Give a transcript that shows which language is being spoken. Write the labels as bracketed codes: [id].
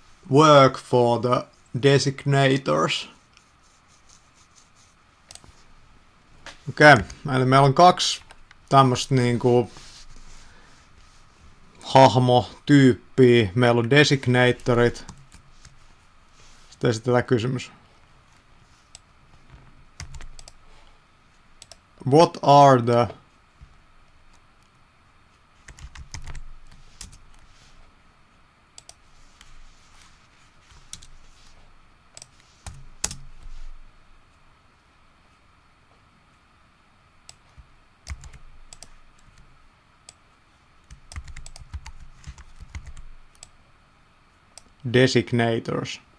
[en] Work for the designators. [fi] Okei, eli meillä on kaksi tämmöistä niinku hahmo-tyyppiä. Meillä on designatorit. Sitten esitetään kysymys. [en] What are the designators?